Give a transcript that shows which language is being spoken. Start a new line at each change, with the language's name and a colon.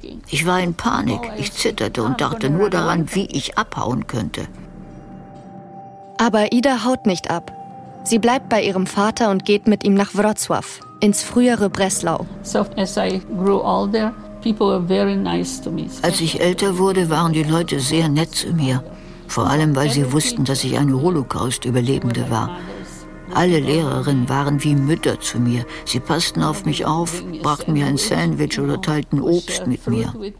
German: Ich war in Panik, ich zitterte und dachte nur daran, wie ich abhauen könnte. Aber Ida haut nicht ab. Sie bleibt bei ihrem Vater und geht mit ihm nach Wrocław, ins frühere Breslau.
English: So as I grew older, people were very nice to me.
German: Als ich älter wurde, waren die Leute sehr nett zu mir. Vor allem, weil sie wussten, dass ich eine Holocaust-Überlebende war. Alle Lehrerinnen waren wie Mütter zu mir. Sie passten auf mich auf, brachten mir ein Sandwich oder teilten Obst mit mir.